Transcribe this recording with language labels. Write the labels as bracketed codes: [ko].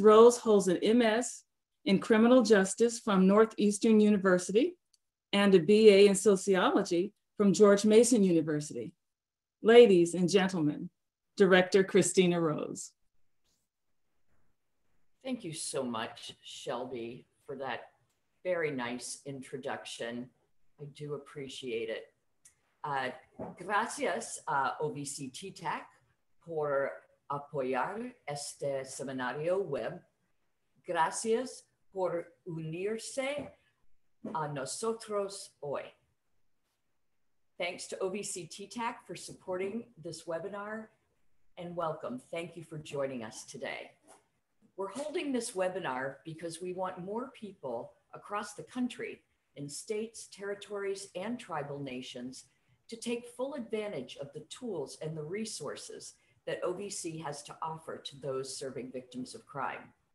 [en] Rose holds an MS in Criminal Justice from Northeastern University and a BA in Sociology from George Mason University. Ladies and gentlemen, Director Christina Rose. Thank you so much, Shelby, for that very nice introduction. I do appreciate it. [es] Gracias, OVC TTAC, por apoyar este seminario web. Gracias por unirse a nosotros hoy. [en] Thanks to OVC TTAC for supporting this webinar, and welcome. Thank you for joining us today. We're holding this webinar because we want more people across the country in states, territories, and tribal nations to take full advantage of the tools and the resources that OVC has to offer to those serving victims of crime.